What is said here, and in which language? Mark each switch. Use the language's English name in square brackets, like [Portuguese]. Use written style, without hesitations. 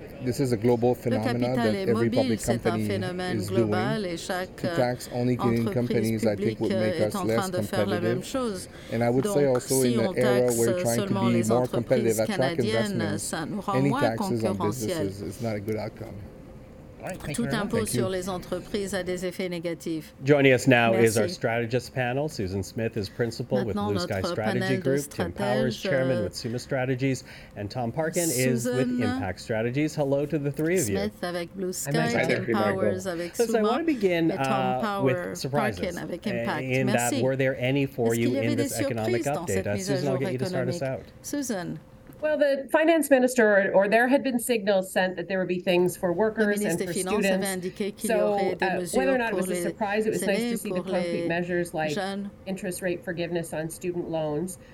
[English] This is a global phenomenon that every public company is doing. To tax only Canadian companies, I think, would make us less competitive. And I would say also in the era where we're trying to be more competitive, attract investments, any taxes on businesses is not a good outcome. [French] Tout impôt sur les entreprises a des effets négatifs. [English] Joining us now is our strategist panel. Susan Smith is principal with Blue Sky Strategy Group. Tim Powers, chairman with Summa Strategies. And Tom Parkin is with Impact Strategies. Hello to the three of you. [French] Smith avec Blue Sky, Tim Powers avec Summa. [English] I want to begin with surprises. In that, were there any for you in this economic update? Susan, I'll get you to start us out. Susan. Well, the finance minister, or there had been signals sent that there would be things for workers and for students. So whether or not it was a surprise, it was nice to see the concrete measures like interest rate forgiveness on student loans.